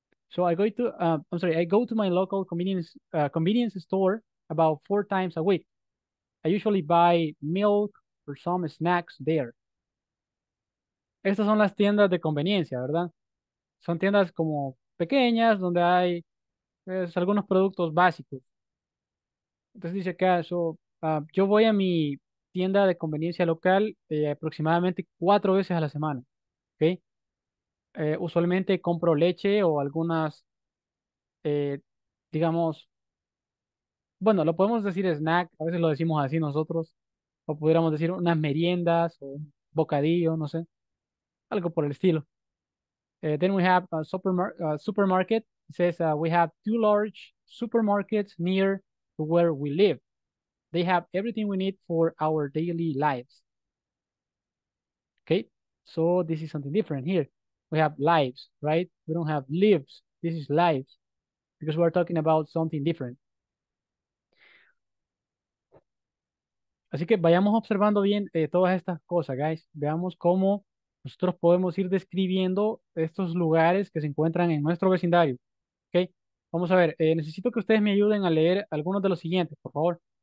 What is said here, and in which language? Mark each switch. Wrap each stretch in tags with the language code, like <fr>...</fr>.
<en>So I go to, I'm sorry, I go to my local convenience store about four times a week. I usually buy milk or some snacks there.</en> <es>Estas son las tiendas de conveniencia, ¿verdad? Son tiendas como pequeñas donde hay algunos productos básicos. Entonces dice acá, yo voy a mi tienda de conveniencia local aproximadamente cuatro veces a la semana, ¿ok? Usualmente compro leche o algunas, digamos, bueno, lo podemos decir snack, a veces lo decimos así nosotros, o pudiéramos decir unas meriendas o un bocadillo, no sé, algo por el estilo.</es> <en>Then we have a supermarket. It says we have two large supermarkets near where we live. They have everything we need for our daily lives. Okay, so this is something different here. We have lives, right? We don't have lives. This is lives because we're talking about something different.</en> <es>Así que vayamos observando bien todas estas cosas, guys. Veamos cómo nosotros podemos ir describiendo estos lugares que se encuentran en nuestro vecindario. Okay. Vamos a ver, necesito que ustedes me ayuden a leer algunos de los siguientes, por favor.</es>